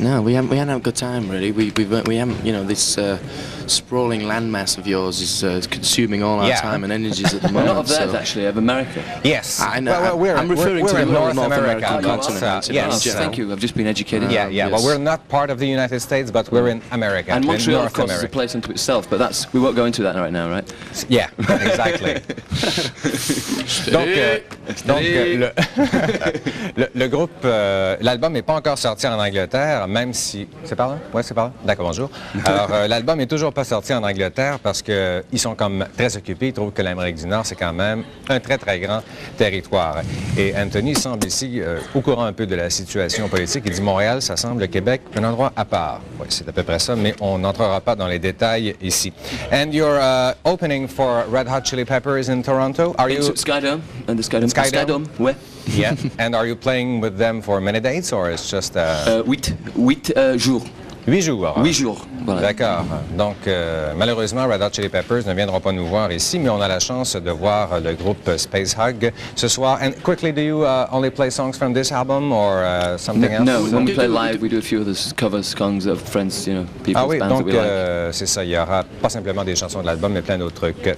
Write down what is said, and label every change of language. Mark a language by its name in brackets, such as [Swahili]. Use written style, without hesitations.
[English] No, we haven't had a good time really. We haven't, you know, this sprawling landmass of yours is consuming all our time and energies at the moment. Not of theirs, actually, of America. Yes, I know. Well, we're referring to the North American continent. Yes, thank you. I've just been educated. Yeah. Well, we're not part of the United States, but we're in America. And Montreal, North of course, America. Is a place unto itself. But that's we won't go into that right now, right? Yeah, exactly. [French] Donc le groupe, l'album n'est pas encore sorti en Angleterre, même si... C'est par là? Oui, c'est par là. D'accord, bonjour. Alors, l'album n'est toujours pas sorti en Angleterre parce qu'ils sont comme très occupés. Ils trouvent que l'Amérique du Nord, c'est quand même un très, très grand territoire. Et Anthony semble ici au courant un peu de la situation politique. Il dit Montréal, ça semble le Québec un endroit à part. Oui, c'est à peu près ça, mais on n'entrera pas dans les détails ici. [English] And your opening for Red Hot Chili Peppers in Toronto, are you... And the Skydome. Where? Yeah. And are you playing with them for many dates or it's just a... [French] Huit jours. Huit jours. Hein? Huit jours. Voilà. D'accord. Donc, malheureusement, Red Hot Chili Peppers ne viendront pas nous voir ici, mais on a la chance de voir le groupe Spacehog ce soir. [English] And quickly, do you only play songs from this album or something else? No, when we play live, we do a few of the covers, songs of friends, you know, people's bands. [French] Ah oui, [English] bands [French] donc, [English] that we like. [French] C'est ça, il y aura pas simplement des chansons de l'album, mais plein d'autres trucs.